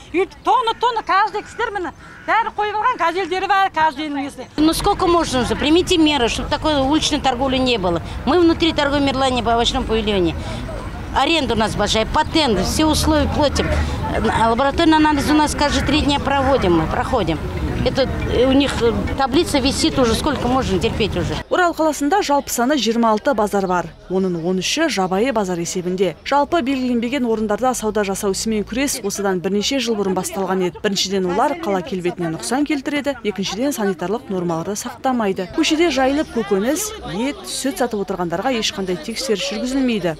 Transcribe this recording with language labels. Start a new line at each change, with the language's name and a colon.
Kazakh: Үй тонна-тонна каждый кісілер міне бәрі қойып алған, газельдері бар каждыйның несі.
Russian: Ну сколько можно уже? Примите меры, чтобы такой уличной торговли не было. Мы внутри торговой мерлани по овощному павильонию. Аренда у нас большая, патент, все условия платим. Лабораторный анализ у нас каждые 3 дня проводим, мы проходим. Это у них таблица висит уже, сколько можно терпеть уже.
Kazakh: Урал қаласында жалпы саны 26 базар бар. Оның 13-ші жабайы базар есебінде. Жалпы белгіленбеген орындарда сауда жасау ісімен күрес осыдан бірнеше жыл бұрын басталған еді. Біріншіден олар қала келбетіне нұқсан келтіреді, екіншіден санитарлық нормаларды сақтамайды. Көшеде жайылып көкөніс, ет, сүт сатып отырғандарға ешқандай тексеріс жүргізілмейді.